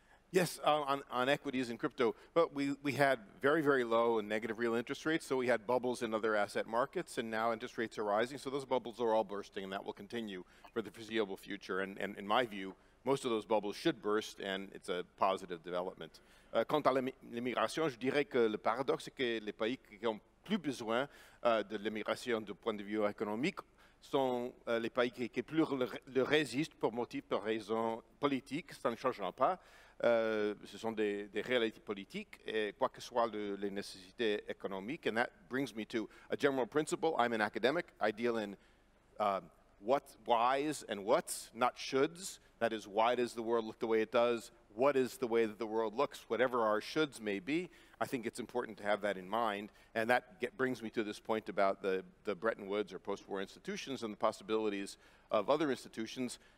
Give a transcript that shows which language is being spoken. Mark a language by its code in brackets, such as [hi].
[en] Yes, on equities and crypto. But we had very, very low and negative real interest rates, so we had bubbles in other asset markets, and now interest rates are rising, so those bubbles are all bursting, and that will continue for the foreseeable future. And in my view, most of those bubbles should burst, and it's a positive development. [fr] Quant à l'immigration, je dirais que le paradoxe est que les pays qui ont plus besoin de l'immigration du point de vue économique sont les pays qui plus le résistent pour motifs, pour raisons politiques, ça ne changera pas. Ce sont des réalités politiques, et quoi que soit les nécessités économiques. [en] And that brings me to a general principle. I'm an academic. I deal in what, whys, and what's, not shoulds. That is, why does the world look the way it does? What is the way that the world looks? Whatever our shoulds may be, I think it's important to have that in mind. And that brings me to this point about the Bretton Woods or post-war institutions and the possibilities of other institutions.